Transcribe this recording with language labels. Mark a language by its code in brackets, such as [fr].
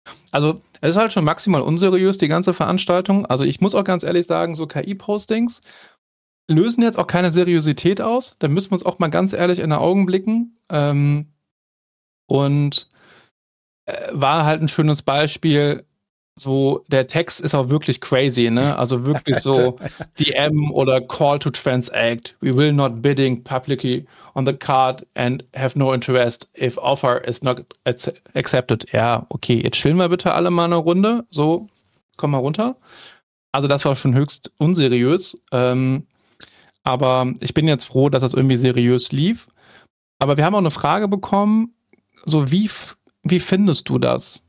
[de] Also, es ist halt schon maximal unseriös, die ganze Veranstaltung. Also, ich muss auch ganz ehrlich sagen, so KI-Postings lösen jetzt auch keine Seriosität aus. Da müssen wir uns auch mal ganz ehrlich in die Augen blicken. Und war halt ein schönes Beispiel. So, der Text ist auch wirklich crazy, ne? Also wirklich so DM oder Call to Transact. [en] We will not bidding publicly on the card and have no interest if offer is not accepted. [de] Ja, okay, jetzt chillen wir bitte alle mal eine Runde. So, komm mal runter. Also das war schon höchst unseriös. Aber ich bin jetzt froh, dass das irgendwie seriös lief. Aber wir haben auch eine Frage bekommen, so wie findest du das?